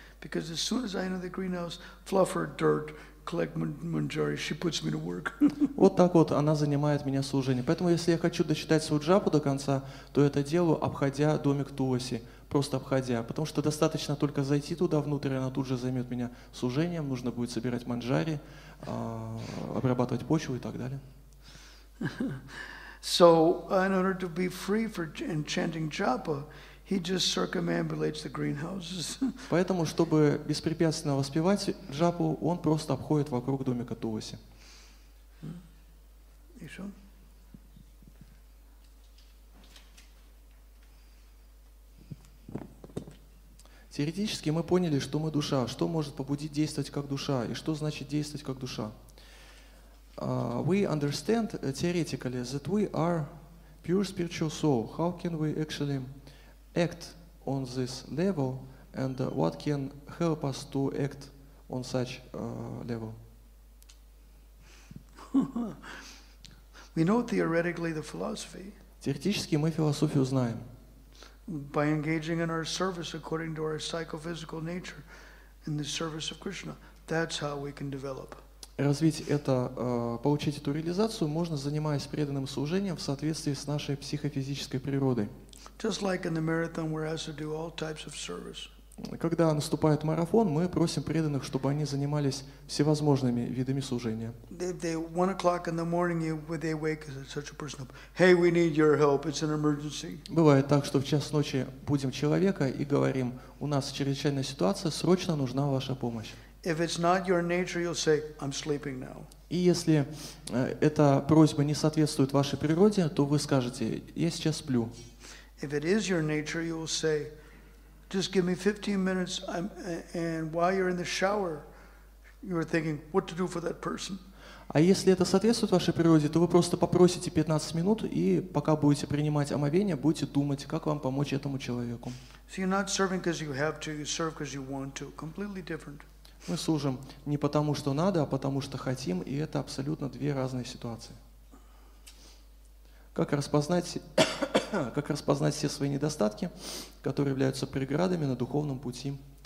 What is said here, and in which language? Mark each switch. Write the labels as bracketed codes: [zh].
[en] Because as soon as I enter the greenhouse, fluff her dirt, collect manjari, she puts me to work. [ru] Вот так вот она занимает меня служением. Поэтому если я хочу дочитать свою джапу до конца, то это делаю, обходя домик Туласи, просто обходя. Потому что достаточно только зайти туда внутрь, она тут же займет меня служением, нужно будет собирать манджари, обрабатывать почву и так далее. [en] So, in order to be free for chanting japa, he just circumambulates the greenhouses. [ru] Поэтому, чтобы беспрепятственно воспевать джапу, он просто обходит вокруг домика Туласи. Еще? Теоретически мы поняли, что мы душа, что может побудить действовать как душа и что значит действовать как душа. [en] We understand theoretically that we are pure spiritual soul. How can we actually act on this level and what can help us to act on such level? We know theoretically the philosophy. [ru] Теоретически мы философию знаем. [en] By engaging in our service according to our psychophysical nature in the service of Krishna, that's how we can develop. [ru] Развить это, получить эту реализацию можно, занимаясь преданным служением в соответствии с нашей психофизической природой. [en] Just like in the marathon, we're asked to do all types of service. [ru] Когда наступает марафон, мы просим преданных, чтобы они занимались всевозможными видами служения. [en] If they 1 o'clock in the morning, they wake such a person up. Hey, we need your help. It's an emergency. [ru] Бывает так, что в час ночи будем человека и говорим: у нас чрезвычайная ситуация, срочно нужна ваша помощь. [en] If it's not your nature, you'll say, I'm sleeping now. [ru] И если эта просьба не соответствует вашей природе, то вы скажете: я сейчас сплю. [en] If it is your nature, you'll say, just give me 15 minutes, and while you're in the shower, you're thinking, what to do for that person. [ru] А если это соответствует вашей природе, то вы просто попросите 15 минут, и пока будете принимать омовение, будете думать, как вам помочь этому человеку. [en] So you're not serving because you have to, you serve because you want to. Completely different. [ru] Мы служим не потому, что надо, а потому, что хотим, и это абсолютно две разные ситуации. Как распознать все свои недостатки, которые являются преградами на духовном пути?